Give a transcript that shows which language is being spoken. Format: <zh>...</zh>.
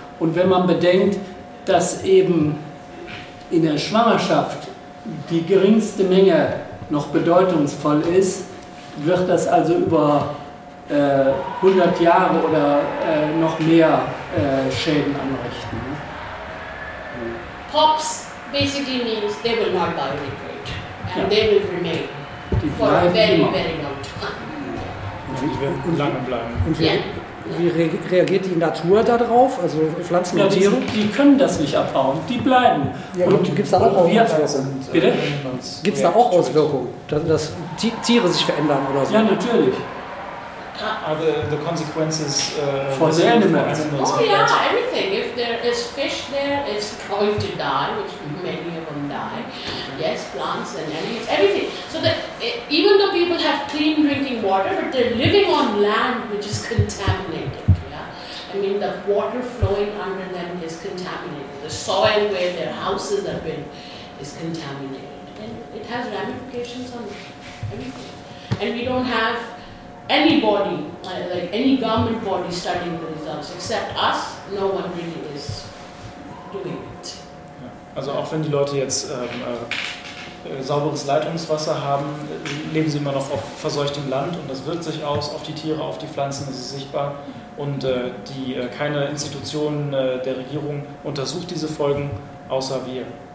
<de>Und wenn man bedenkt, dass eben in der Schwangerschaft die geringste Menge noch bedeutungsvoll ist, wird das also über 100 Jahre oder noch mehr Schäden anrichten.</de> <en>POPs basically means they will not biodegrade. And they will remain for a very, very long time.</en> <de>Und lange bleiben. Wie reagiert die Natur darauf, also Pflanzen und Tiere? Die können das nicht abbauen, die bleiben. Ja, und gibt es da auch Auswirkungen? Bitte? Gibt es da auch Auswirkungen, dass Tiere sich verändern oder so? Ja, natürlich.</de> <en>Are the consequences for the animals? Oh yeah, everything. If there is fish there, it's going to die, which many of them die. Yes, plants and animals, everything. So that even though people have clean drinking water, but they're living on land which is contaminated. Yeah, I mean the water flowing under them is contaminated. The soil where their houses have been is contaminated, and it has ramifications on everything. And we don't have anybody, like any government body studying the results, except us, no one really is doing it.</en> <de>Ja. Also auch wenn die Leute jetzt sauberes Leitungswasser haben, leben sie immer noch auf verseuchtem Land und das wirkt sich aus auf die Tiere, auf die Pflanzen, das ist sichtbar. Und keine Institution der Regierung untersucht diese Folgen, außer wir.</de>